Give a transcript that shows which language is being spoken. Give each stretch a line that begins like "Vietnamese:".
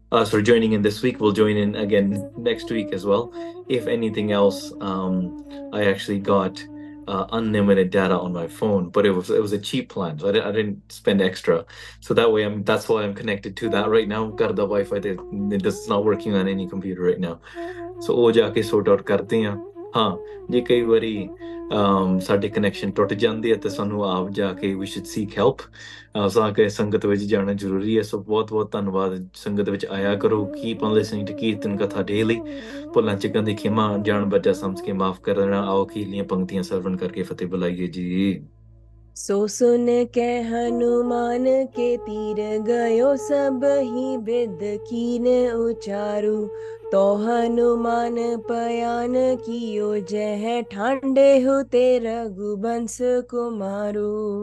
English: for joining in this week we'll join in again next week as well if anything else I actually got unlimited data on my phone but it was a cheap plan so I didn't spend extra so that way that's why I'm connected to that right now got the wifi it's not working on any computer right now so
Punjabi: ho ja ke sort out karte hain ha ji kai bari ਸਾਡੇ connection ਟੁੱਟ ਜਾਂਦੇ ਆ ਤੇ ਸਾਨੂੰ ਆਪ ਜਾ ਕੇ we
English: should seek help
Punjabi: ਸਾ ਕੇ ਸੰਗਤ ਵਿੱਚ ਜਾਣਾ ਜ਼ਰੂਰੀ ਹੈ ਸੋ ਬਹੁਤ ਬਹੁਤ ਧੰਨਵਾਦ ਸੰਗਤ ਵਿੱਚ ਆਇਆ ਕਰੋ
English: keep on listening to kirtan katha daily
Punjabi: ਭੁੱਲਾਂ ਚੱਕਣ ਦੀ ਖਿਮਾ ਜਾਣ ਬੱਚਾ ਸਮਝ ਕੇ ਮਾਫ਼ ਕਰ ਦੇਣਾ ਆਓ ਕੀਲੀਆਂ ਪੰਕਤੀਆਂ ਸਰਵਣ ਕਰਕੇ ਫਤਿਹ ਬੁਲਾਈਏ ਜੀ
Braj: सो सुन के हनुमान के तीर गयो सब ही बिद कीन उचारू तो हनुमान पयान कियो जह ठांडे हो ते रघुबंस कुमारू